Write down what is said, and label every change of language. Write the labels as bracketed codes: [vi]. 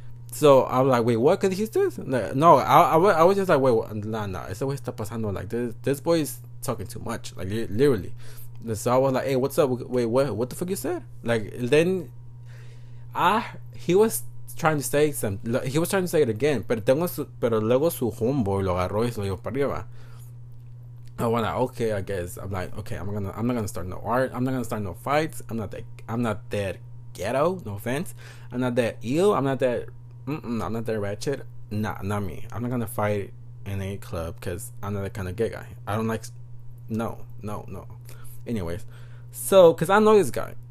[en] So I'm like, wait, what? 'Cause he's this? No, I was just like, wait, what? Nah, [es] eso está pasando. [en] Like, this boy is talking too much. Like, literally. And so I was like, hey, what's up? Wait, what the fuck you said? Like, then he was trying to say something. He was trying to say it again, [es] pero luego su homeboy lo agarró y se lo llevó para arriba. [en] I wanna like, okay, I guess. I'm like, okay, I'm not gonna start no art. I'm not gonna start no fights. I'm not that ghetto, no offense. I'm not that ill, I'm not that ratchet. Not me. I'm not gonna fight in a club because I'm not that kind of gay guy. I don't like, no. Anyways, so because I know this guy.